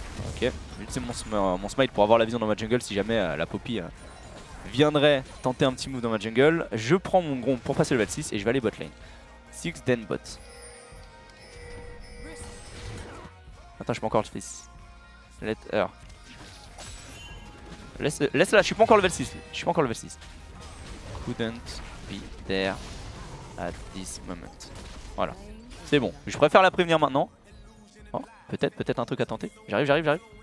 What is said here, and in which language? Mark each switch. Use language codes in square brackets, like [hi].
[fr] Ok, c'est mon smite pour avoir la vision dans ma jungle si jamais la poppy viendrait tenter un petit move dans ma jungle. Je prends mon gromp pour passer le level 6 et je vais aller bot lane. [en] 6 then bot. [fr] Attends, je peux encore le fist. Laisse là, je suis pas encore level 6. [en] Couldn't be there at this moment. [fr] Voilà, c'est bon. Je préfère la prévenir maintenant. Oh, peut-être un truc à tenter. J'arrive.